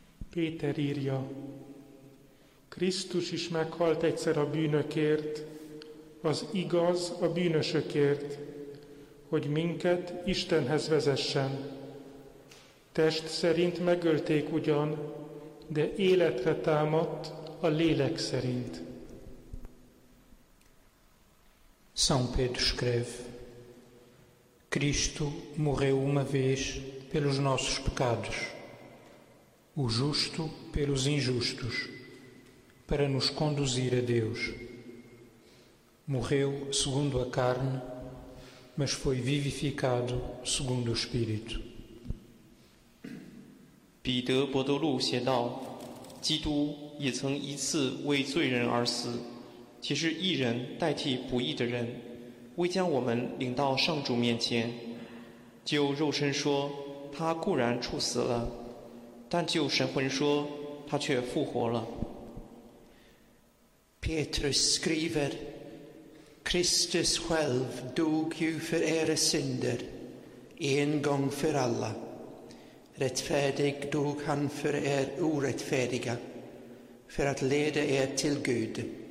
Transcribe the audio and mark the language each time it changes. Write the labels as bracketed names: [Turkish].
[Hungarian] Péter írja, Krisztus is meghalt egyszer a bűnökért, az igaz a bűnösökért, hogy minket Istenhez vezessen. Test szerint megölték ugyan, de életre támadt a lélek szerint. [Portuguese] São Pedro escreve, Cristo morreu uma vez pelos nossos pecados. O justo pelos injustos, para nos conduzir a Deus. Morreu segundo a carne, mas foi vivificado segundo o Espírito. [Chinese] Peter Bordolu 写道, 基督也曾一次为罪人而死, 其实义人代替不义的人, 为将我们领到上主面前, 就肉身说, 他固然处死了, 但就神魂说, [Swedish] Petrus skriver, Kristus själv dog ju för era synder, en gång för alla. Rättfärdig dog han för er orättfärdiga, för att leda er till Gud.